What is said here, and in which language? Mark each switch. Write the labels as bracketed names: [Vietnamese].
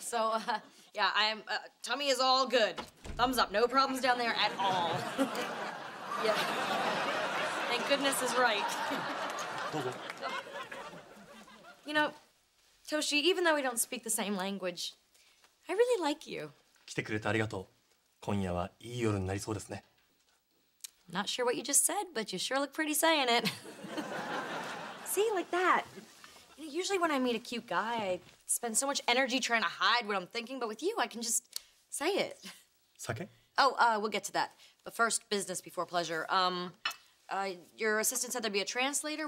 [English] So, yeah, I'm tummy is all good. Thumbs up, no problems down there at all. Yeah. Thank goodness is right. Dozo. You know, Toshi, even though we don't speak the same language, I really like you. [Japanese] 来てくれてありがとう。今夜はいい夜になりそうですね。 [English] Not sure what you just said, but you sure look pretty saying it. See, like that. Usually when I meet a cute guy, I spend so much energy trying to hide what I'm thinking, but with you, I can just say it. Sake? Oh, we'll get to that. But first, business before pleasure. Your assistant said there'd be a translator.